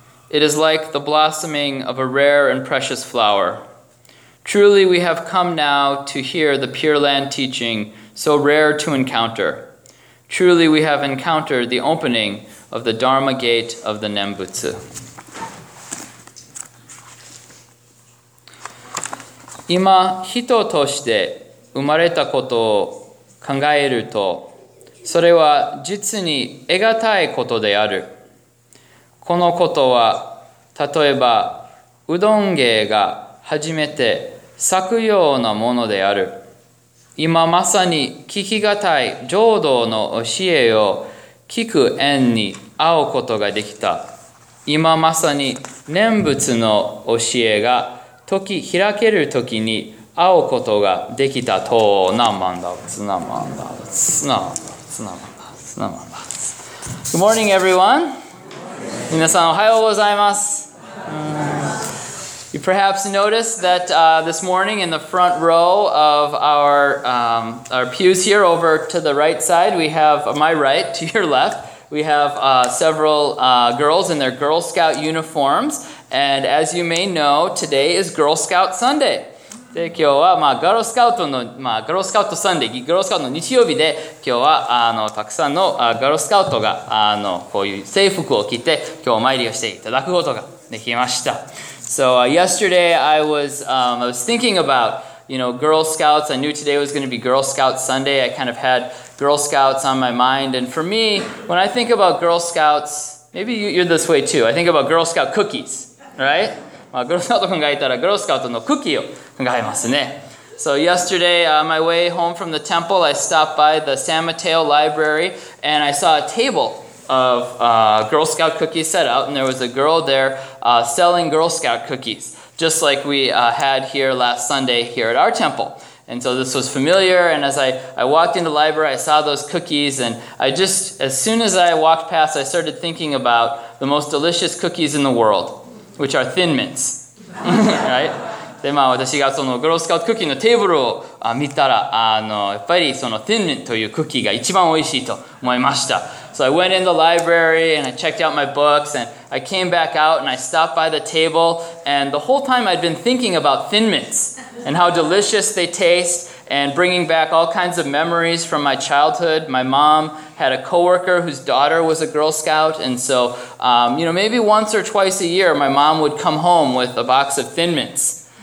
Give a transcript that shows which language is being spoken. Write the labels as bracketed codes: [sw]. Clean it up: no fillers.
[en] It is like the blossoming of a rare and precious flower. Truly we have come now to hear the Pure Land teaching, so rare to encounter. Truly, we have encountered the opening of the Dharma gate of the Nembutsu. [ja] 今、人として生まれたことを考えると、それは実に得がたいことである。このことは、例えば、うどん芸が初めて咲くようなものである。今まさに聞きがたい浄土の教えを聞く縁に会うことができた。今まさに念仏の教えが解き開けるときに会うことができたと。なまんだ、つなまんだ、つなまんだ、つなまんだ、つなまんだ。 [en] Good morning, everyone. [ja] 皆さんおはようございます。 [en] You perhaps noticed that this morning in the front row of our pews here over to the right side, we have, my right, to your left, we have several girls in their Girl Scout uniforms. And as you may know, today is Girl Scout Sunday. [ja] で、今日は、まあ、ガロスカウトサンデー、ガロスカウトの日曜日で、今日は、たくさんの、ガロスカウトが、こういう制服を着て、今日お参りをしていただくことができました。 [en] So, yesterday I was thinking about, you know, Girl Scouts. I knew today was going to be Girl Scout Sunday. I kind of had Girl Scouts on my mind. And for me, when I think about Girl Scouts, maybe you're this way too. I think about Girl Scout cookies, right? [ja] まあ、Girl Scout 考えたら Girl Scout のクッキーを考えますね。 [en] So yesterday, on my way home from the temple, I stopped by the San Mateo Library and I saw a table. Of Girl Scout cookies set out, and there was a girl there selling Girl Scout cookies, just like we had here last Sunday here at our temple. And so this was familiar, and as I walked into the library, I saw those cookies, and I just, as soon as I walked past, I started thinking about the most delicious cookies in the world, which are Thin Mints, right? [ja] でまあ、私がそのグロースカウトクッキーのテーブルを見たら、やっぱりそのティンミントというクッキーが一番おいしいと思いました。 [en] So I went in the library and I checked out my books and I came back out and I stopped by the table and the whole time I'd been thinking about thin mints and how delicious they taste and bringing back all kinds of memories from my childhood. My mom had a coworker whose daughter was a Girl Scout and so, you know, maybe once or twice a year my mom would come home with a box of thin mints.